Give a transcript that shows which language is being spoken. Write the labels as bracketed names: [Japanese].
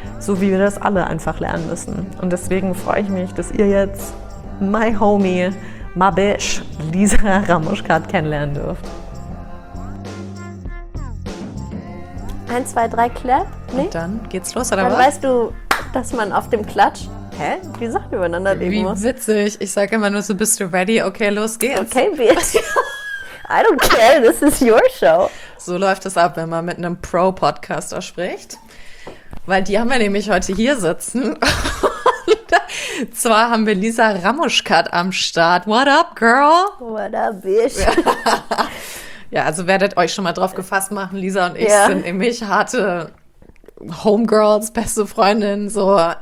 [German] So wie wir das alle einfach lernen müssen. Und deswegen freue ich mich, dass ihr jetzt [English] my homie, my bitch, [German] Lisa Ramoschkat kennenlernen dürft. [English] 1, 2, 3, clap. [German] Nee? Und dann geht's los, oder dann was? Weißt du, dass man auf dem Klatsch, hä, die Sachen übereinander wie leben muss. Wie witzig. Ich sage immer nur so, bist du ready? Okay, los geht's. [English] Okay, bitch. I don't care, this is your show. [German] So läuft es ab, wenn man mit einem Pro-Podcaster spricht. Weil die haben wir nämlich heute hier sitzen. Und zwar haben wir Lisa Ramoschkat am Start. [English] What up, girl? What up, bitch. [German] Ja, also werdet euch schon mal drauf gefasst machen. Lisa und ich sind nämlich harte Homegirls, beste Freundinnen. So.